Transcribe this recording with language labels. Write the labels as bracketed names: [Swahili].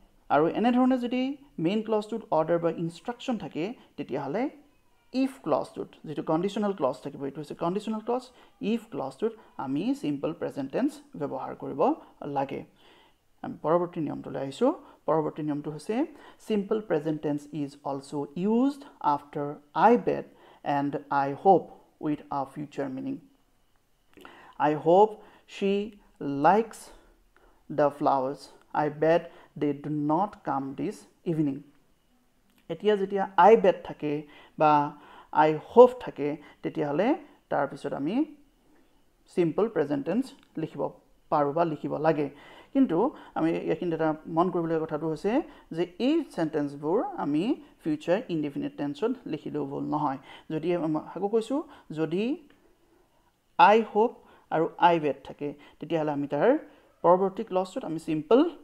[Assamese] আৰু এনেধৰণে যদি মেইন ক্লজটোত অৰ্ডাৰ বা ইনষ্ট্ৰাকশ্যন থাকে, তেতিয়াহ'লে ইফ ক্লজটোত যিটো কণ্ডিশ্যনেল ক্লজ থাকিব, এইটো হৈছে কণ্ডিশ্যনেল ক্লজ, ইফ ক্লজটোত আমি চিম্পল প্ৰেজেণ্ট টেন্স ব্যৱহাৰ কৰিব লাগে। আমি পৰৱৰ্তী নিয়মটোলৈ আহিছোঁ। পৰৱৰ্তী নিয়মটো হৈছে [English] Simple present tense is also' used after I bet and I hope with a future meaning. I hope she likes the flowers, I bet they do not come this evening. [Assamese] Etia jetia I bet thake ba I hope থাকে তেতিয়াহলে তাৰ পিছত আমি simple present tense লিখিব পাৰো বা লিখিব লাগে কিন্তু আমি এখিনি এটা মন কৰিবলৈ কথাটো হৈছে যে এই সেন্টেন্সবোৰ আমি ফিউচাৰ ইনডিফিনিট টেন্সত লিখিলেও ভুল নহয় যদি আকৌ কৈছোঁ যদি আই হোপ আৰু আই ৱেট থাকে তেতিয়াহ'লে আমি তাৰ পৰৱৰ্তী ক্লজটোত আমি চিম্পল